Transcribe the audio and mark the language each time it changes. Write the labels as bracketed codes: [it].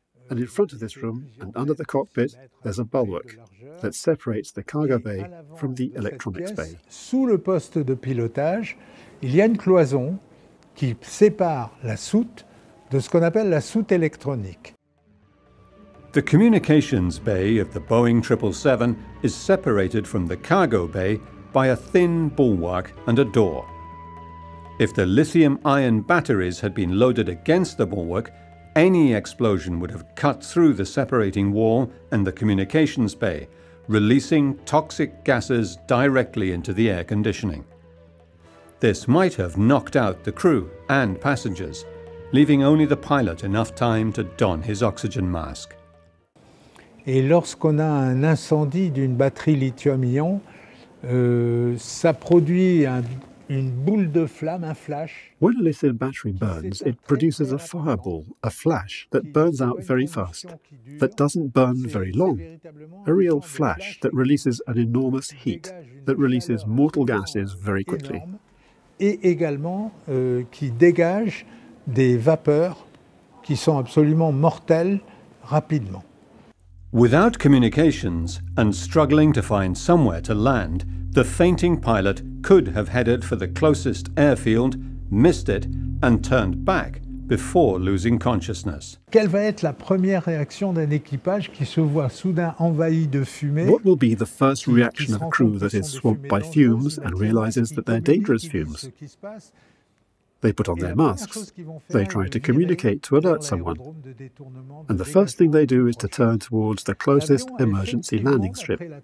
[en] And in front of this room and under the cockpit, there's a bulwark that separates the cargo bay from the electronics bay. [fr] Sous le poste de pilotage, il y a une cloison qui sépare la soute de ce qu'on appelle la soute électronique. [en] The communications bay of the Boeing 777 is separated from the cargo bay by a thin bulwark and a door. If the lithium iron batteries had been loaded against the bulwark, any explosion would have cut through the separating wall and the communications bay, releasing toxic gases directly into the air conditioning. This might have knocked out the crew and passengers, leaving only the pilot enough time to don his oxygen mask. [fr] Et lorsqu'on a un incendie d'une batterie lithium-ion, ça produit une boule de flamme, un flash. [en] When a lithium battery burns, it produces a fireball, a flash that burns out very fast, that doesn't burn very long, a real flash that releases an enormous heat, that releases mortal gases very quickly. [fr] Et également qui dégage des vapeurs qui sont absolument mortelles rapidement. [en] Without communications and struggling to find somewhere to land, the fainting pilot could have headed for the closest airfield, missed it, and turned back before losing consciousness. [fr] Quelle va être la première réaction d'un équipage qui se voit soudain envahi de fumée? [en] What will be the first reaction of a crew that is swamped by fumes and realizes that they're dangerous fumes? They put on their masks. They try to communicate to alert someone. And the first thing they do is to turn towards the closest emergency landing strip.